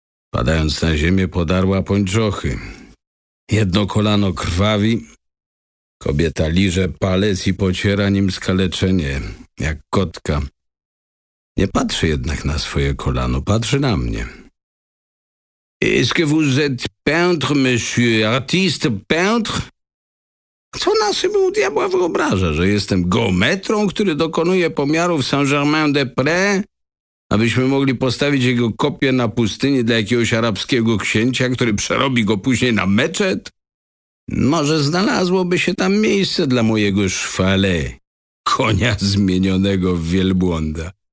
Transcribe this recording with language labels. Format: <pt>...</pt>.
<pl>Padając na ziemię, podarła pończochy. Jedno kolano krwawi. Kobieta liże palec i pociera nim skaleczenie, jak kotka. Nie patrzy jednak na swoje kolano, patrzy na mnie.</pl> <fr>Est-ce que vous êtes peintre, monsieur, artiste, peintre?</fr> <pl>Co na sobie u diabła wyobraża, że jestem geometrą, który dokonuje pomiarów Saint-Germain-des-Prés, abyśmy mogli postawić jego kopię na pustyni dla jakiegoś arabskiego księcia, który przerobi go później na meczet? Może znalazłoby się tam miejsce dla mojego szwale, konia zmienionego w wielbłąda.</pl>